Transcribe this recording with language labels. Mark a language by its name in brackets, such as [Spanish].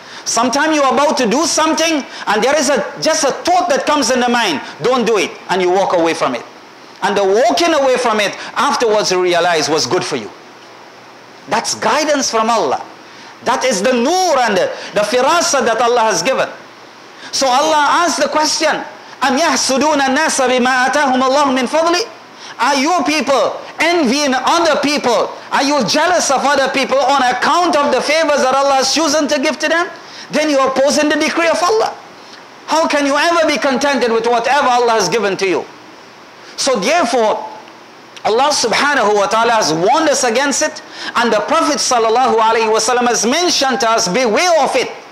[English] Sometimes you are about to do something, and there is just a thought that comes in the mind. Don't do it. And you walk away from it. And the walking away from it, afterwards you realize was good for you. That's guidance from Allah. That is the nur and the firasa that Allah has given. So Allah asked the question, [Arabic] أَمْ يَحْسُدُونَ النَّاسَ بِمَا أَتَاهُمَ اللَّهُ مِنْ فَضْلِ. [English] Are you people envying other people? Are you jealous of other people on account of the favors that Allah has chosen to give to them? Then you are opposing the decree of Allah. How can you ever be contented with whatever Allah has given to you? So therefore, Allah subhanahu wa ta'ala has warned us against it, and the Prophet sallallahu alaihi wasallam has mentioned to us, beware of it.